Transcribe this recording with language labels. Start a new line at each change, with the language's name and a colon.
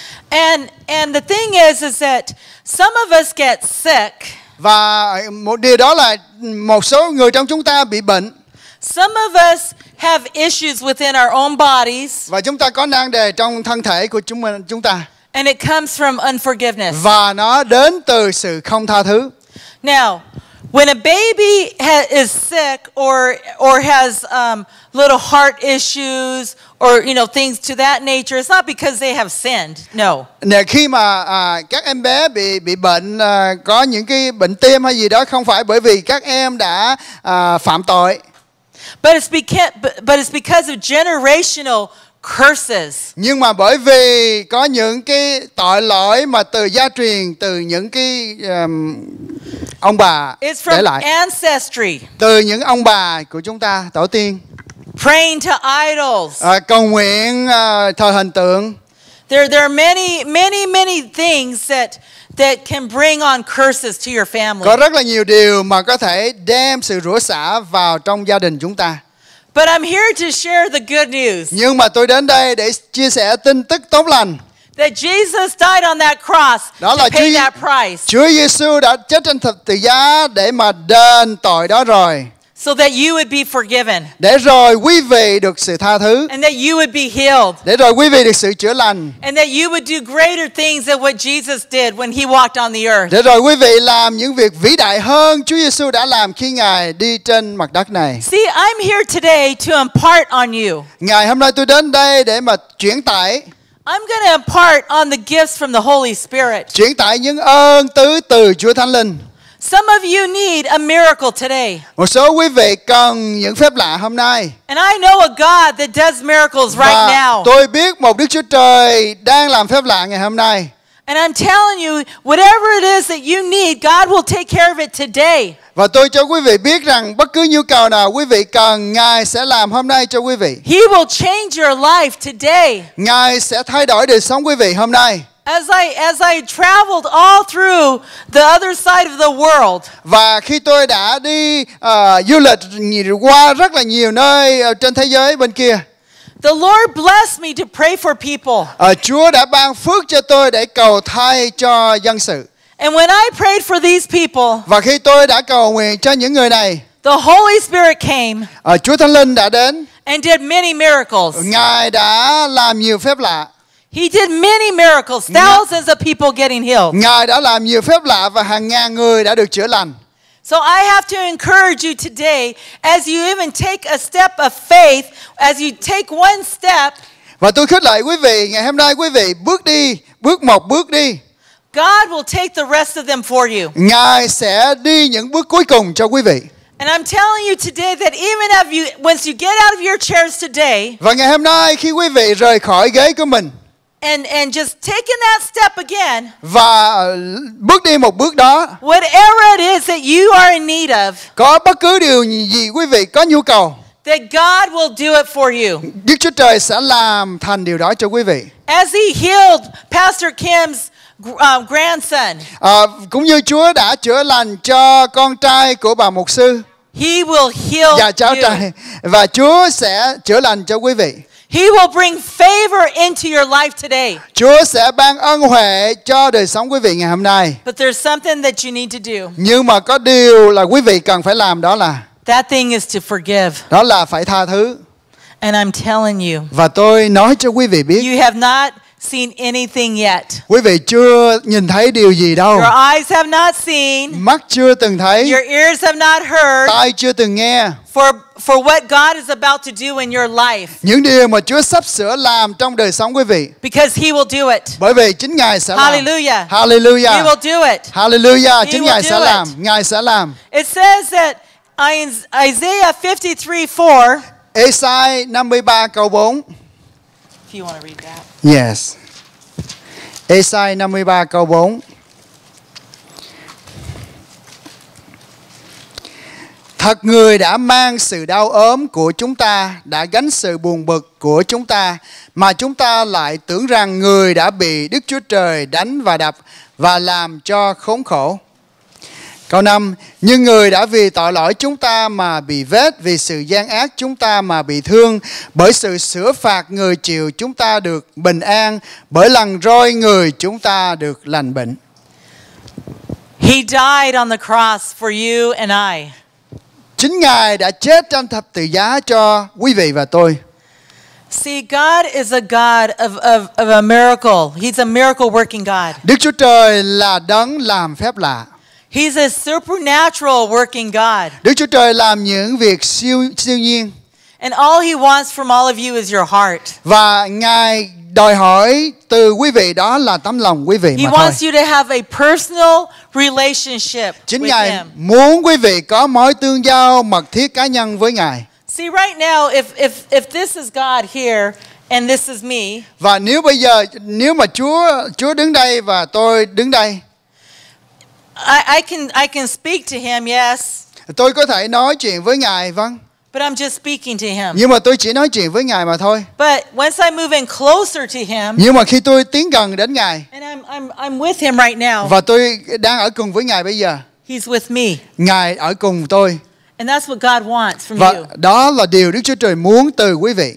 English: And the thing is that some of us get sick.
Vietnamese: Và một điều đó là một số người trong chúng ta bị bệnh.
English: Some of us have issues within our own bodies.
Vietnamese: Và chúng ta có nan đề trong thân thể của chúng ta.
English: And it comes from unforgiveness.
Vietnamese: Và nó đến từ sự không tha thứ.
English: Now, when a baby is sick or has little heart issues or you know things to that nature, it's not because they have sinned. No.
Vietnamese: Nếu khi mà các em bé bị bệnh có những cái bệnh tim hay gì đó không phải bởi vì các em đã phạm tội.
English: But it's because of generational curses.
Vietnamese: Nhưng mà bởi vì có những cái tội lỗi mà từ gia truyền từ những cái ông bà
English: it's from
Vietnamese: để lại.
English: Ancestry.
Vietnamese: Từ những ông bà của chúng ta tổ tiên.
English: Praying to idols.
Vietnamese: Cầu nguyện thờ hình tượng.
English: There are many many many things that can bring on curses to your family.
Vietnamese: Có rất là nhiều điều mà có thể đem sự rủa xả vào trong gia đình chúng ta.
English: But I'm here to share the good news.
Vietnamese: Nhưng mà tôi đến đây để chia sẻ tin tức tốt lành.
English: That Jesus died on that cross
Vietnamese: đó là
English: to pay that price.
Vietnamese: Chúa Giêsu đã chết trên thập tự giá để mà đền tội đó rồi.
English: So that you would be forgiven.
Vietnamese: Để rồi quý vị được sự tha thứ.
English: And that you would be healed.
Vietnamese: Để rồi quý vị được sự chữa lành.
English: And that you would do greater things than what Jesus did when he walked on the earth.
Vietnamese: Để rồi quý vị làm những việc vĩ đại hơn Chúa Giêsu đã làm khi Ngài đi trên mặt đất này.
English: See, I'm here today to impart on you.
Vietnamese: Ngày hôm nay tôi đến đây để mà chuyển tải.
English: I'm going to impart on the gifts from the Holy Spirit.
Vietnamese: Chuyển tải những ơn tứ từ Chúa Thánh Linh.
English: Some of you need a miracle today.
Vietnamese: Một số quý vị cần những phép lạ hôm nay.
English: And I know a God that does miracles right now.
Vietnamese: Tôi biết một Đức Chúa Trời đang làm phép lạ ngày hôm nay.
English: And I'm telling you, whatever it is that you need, God will take care of it today.
Vietnamese: Và tôi cho quý vị biết rằng bất cứ nhu cầu nào quý vị cần, Ngài sẽ làm hôm nay cho quý vị.
English: He will change your life today.
Vietnamese: Ngài sẽ thay đổi đời sống quý vị hôm nay.
English: As I traveled all through the other side of the world.
Vietnamese: Và khi tôi đã đi du lịch qua rất là nhiều nơi trên thế giới bên kia.
English: The Lord blessed me to pray for people.
Vietnamese: Chúa đã ban phước cho tôi để cầu thay cho dân sự.
English: And when I prayed for these people,
Vietnamese: và khi tôi đã cầu nguyện cho những người này,
English: the Holy Spirit came.
Vietnamese: Chúa Thánh Linh đã đến.
English: And did many miracles.
Vietnamese: Ngài đã làm nhiều phép lạ.
English: He did many miracles. Thousands of people getting healed.
Vietnamese: Ngài đã làm nhiều phép lạ và hàng ngàn người đã được chữa lành.
English: So I have to encourage you today, as you even take a step of faith, as you take one step.
Vietnamese: Và tôi khích lệ quý vị ngày hôm nay, quý vị bước đi, bước một bước đi.
English: God will take the rest of them for you.
Vietnamese: Ngài sẽ đi những bước cuối cùng cho quý vị.
English: And I'm telling you today that even if you, once you get out of your chairs today.
Vietnamese: Và ngày hôm nay khi quý vị rời khỏi ghế của mình.
English: And just taking that step again.
Vietnamese: Và bước đi một bước đó.
English: Whatever it is that you are in need of.
Vietnamese: Có bất cứ điều gì quý vị có nhu cầu.
English: That God will do it for you.
Vietnamese: Đức Chúa Trời sẽ làm thành điều đó cho quý vị.
English: As He healed Pastor Kim's grandson.
Vietnamese: Cũng như Chúa đã chữa lành cho con trai của bà mục sư.
English: He will heal
Vietnamese: và cháu
English: you.
Vietnamese: Trai. Và Chúa sẽ chữa lành cho quý vị.
English: He will bring favor into your life today.
Vietnamese: Chúa sẽ ban ân huệ cho đời sống quý vị ngày hôm nay.
English: But there's something that you need to do.
Vietnamese: Nhưng mà có điều là quý vị cần phải làm, đó là
English: that thing is to forgive.
Vietnamese: Đó là phải tha thứ.
English: And I'm telling you.
Vietnamese: Và tôi nói cho quý vị biết.
English: You have not seen anything yet.
Vietnamese: Quý vị chưa nhìn thấy điều gì đâu.
English: Your eyes have not seen.
Vietnamese: Mắt chưa từng thấy.
English: Your ears have not heard.
Vietnamese: Tai chưa từng nghe.
English: For what God is about to do in your life.
Vietnamese: Những điều mà Chúa sắp sửa làm trong đời sống quý vị.
English: Because He will do it.
Vietnamese: Bởi vì chính Ngài sẽ làm. Hallelujah. Hallelujah.
English: He will do it. Hallelujah. He
Vietnamese: chính Ngài sẽ làm. Ngài sẽ làm.
English: It says that in Isaiah 53:4.
Vietnamese: Esai 53 câu 4.
English: If you want to read that. Yes.
Vietnamese: Esai 53 câu 4. Thật người đã mang sự đau ốm của chúng ta, đã gánh sự buồn bực của chúng ta, mà chúng ta lại tưởng rằng người đã bị Đức Chúa Trời đánh và đập và làm cho khốn khổ. Câu 5. Nhưng người đã vì tội lỗi chúng ta mà bị vết, vì sự gian ác chúng ta mà bị thương, bởi sự sửa phạt người chịu chúng ta được bình an, bởi lần roi người chúng ta được lành bệnh.
English: He died on the cross for you and I.
Vietnamese: Chính Ngài đã chết trên thập tự giá cho quý vị và tôi.
English: See, God is a God of a miracle. He's a miracle working God.
Vietnamese: Đức Chúa Trời là đấng làm phép lạ.
English: He's a supernatural working God.
Vietnamese: Đức Chúa Trời làm những việc siêu nhiên.
English: And all He wants from all of you is your heart.
Vietnamese: Và Ngài đòi hỏi từ quý vị đó là tấm lòng quý vị mà thôi.
English: He wants you to have a personal relationship with Him.
Vietnamese: Chính Ngài muốn quý vị có mối tương giao mật thiết cá nhân với Ngài.
English: See, right now, if this is God here and this is me.
Vietnamese: Và nếu bây giờ, nếu mà Chúa đứng đây và tôi đứng đây.
English: I can speak to Him, yes.
Vietnamese: Tôi có thể nói chuyện với Ngài, vâng.
English: But I'm just speaking to Him.
Vietnamese: Nhưng mà tôi chỉ nói chuyện với Ngài mà thôi.
English: But once I move in closer to Him.
Vietnamese: Nhưng mà khi tôi tiến gần đến Ngài.
English: And I'm with Him right now.
Vietnamese: Và tôi đang ở cùng với Ngài bây giờ.
English: He's with me.
Vietnamese: Ngài ở cùng tôi.
English: And that's what God wants from
Vietnamese: và
English: you.
Vietnamese: Và đó là điều Đức Chúa Trời muốn từ quý vị.